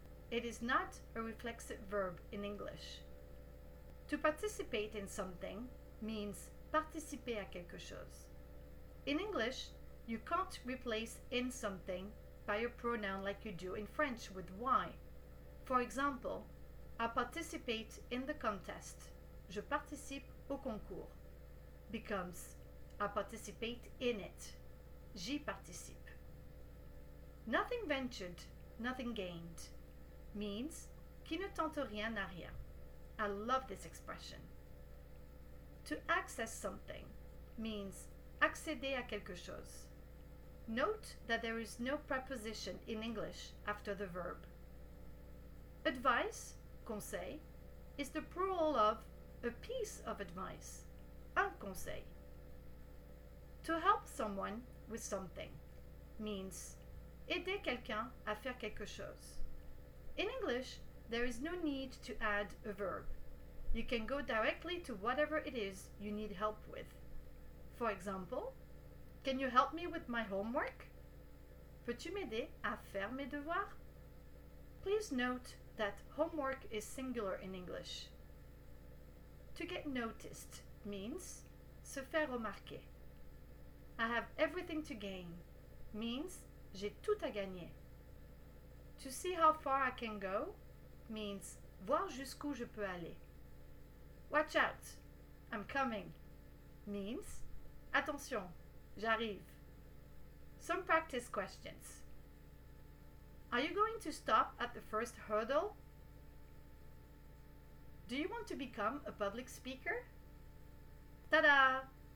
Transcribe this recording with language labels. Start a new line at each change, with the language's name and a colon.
English: It is not a reflexive verb in English. To participate in something means
French: participer à quelque chose.
English: In English, you can't replace in something by a pronoun like you do in French with y. For example, I participate in the contest.
French: Je participe au concours.
English: Becomes I participate in it.
French: J'y participe.
English: Nothing ventured, nothing gained means
French: qui ne tente rien n'a rien.
English: I love this expression. To access something means
French: accéder à quelque chose.
English: Note that there is no preposition in English after the verb. Advice, conseil, is the plural of a piece of advice, un conseil. To help someone with something means
French: aider quelqu'un à faire quelque chose.
English: In English, there is no need to add a verb. You can go directly to whatever it is you need help with. For example, can you help me with my homework?
French: Peux-tu m'aider à faire mes devoirs?
English: Please note that homework is singular in English. To get noticed means
French: se faire remarquer.
English: I have everything to gain means
French: J'ai tout à gagner.
English: To see how far I can go means
French: voir jusqu'où je peux aller.
English: Watch out, I'm coming means
French: attention, j'arrive.
English: Some practice questions. Are you going to stop at the first hurdle? Do you want to become a public speaker? Ta-da!